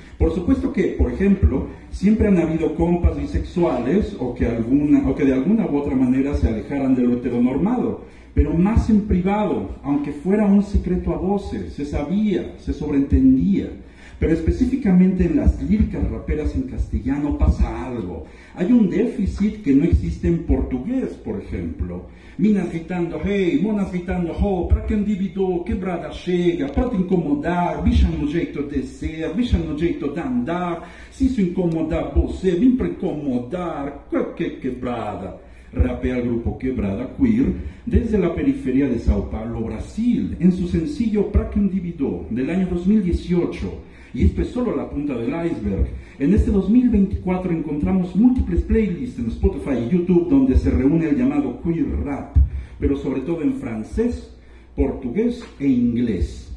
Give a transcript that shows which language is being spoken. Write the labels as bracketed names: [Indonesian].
[Spanish] Por supuesto que, por ejemplo, siempre han habido compas bisexuales o que de alguna u otra manera se alejaran de lo heteronormado, pero más en privado, aunque fuera un secreto a voces, se sabía, se sobreentendía. Pero específicamente en las líricas raperas en castellano pasa algo. Hay un déficit que no existe en portugués, por ejemplo. [Portuguese] Minas gritando hey, monas gritando ho, pra que individuo, quebrada chega, pra te incomodar, bicha no jeito de ser, bicha no jeito de andar, si isso incomoda você, vim pra incomodar, que quebrada. [Spanish] Rapea el grupo Quebrada Queer desde la periferia de Sao Paulo, Brasil, en su sencillo Pra que individuo del año 2018. Y esto es solo la punta del iceberg. En este 2024 encontramos múltiples playlists en Spotify y YouTube donde se reúne el llamado queer rap, pero sobre todo en francés, portugués e inglés.